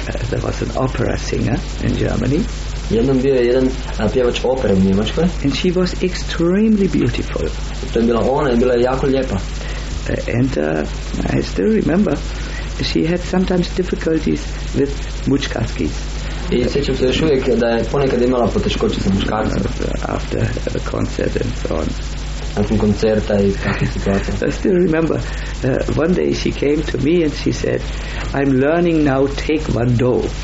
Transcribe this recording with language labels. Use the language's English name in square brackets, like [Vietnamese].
[English] There was an opera singer in Germany. [Croatian] Jednom bio je jedan pjevač opere u Njemačkoj. [English] And she was extremely beautiful. [Croatian] To je bila ona, je bila jako lijepa. [English] And I still remember she had sometimes difficulties with muchkarskis. [Croatian] I sjećam se još uvijek da je ponekad imala poteškoće sa muškarcima. [English] After the concert and so on. [Croatian] Nakon koncerta i takve situacije. [English] I still remember one day she came to me and she said, I'm learning now taekwondo.